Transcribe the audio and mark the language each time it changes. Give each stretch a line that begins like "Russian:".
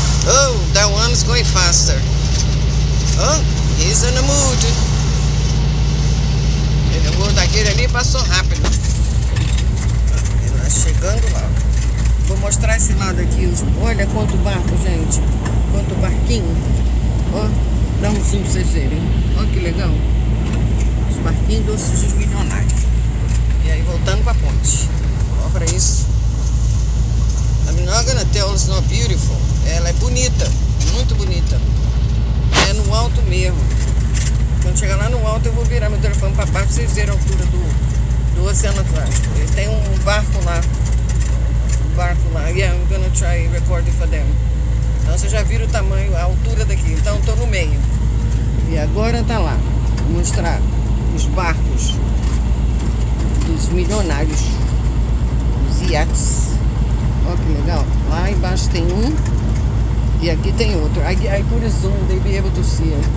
English: Oh, that one is going faster. Oh, he's in the mood.
Portuguese: Ele, o mood daquele ali passou rápido. E nós chegando lá. Vou mostrar esse lado aqui. Olha quanto barco, gente. Quanto barquinho. Oh, dá um zoom pra vocês verem. Olha que legal. Os barquinhos doces dos milionários. E aí voltando para a ponte. Olha para isso.
English: I'm not gonna tell it's not beautiful.
Portuguese: Ela é bonita, muito bonita. É no alto mesmo. Quando chegar lá no alto eu vou virar meu telefone para baixo para vocês verem a altura do Oceano Atlântico. E tem um barco lá. Um barco lá.
English: Yeah, I'm gonna try recording for them.
Portuguese: Então vocês já viram o tamanho, a altura daqui. Então estou no meio. E agora tá lá. Vou mostrar os barcos. Dos milionários, os iates. Olha que legal. Lá embaixo tem um e aqui tem outro. Aí por
English: zoom, they be able to see.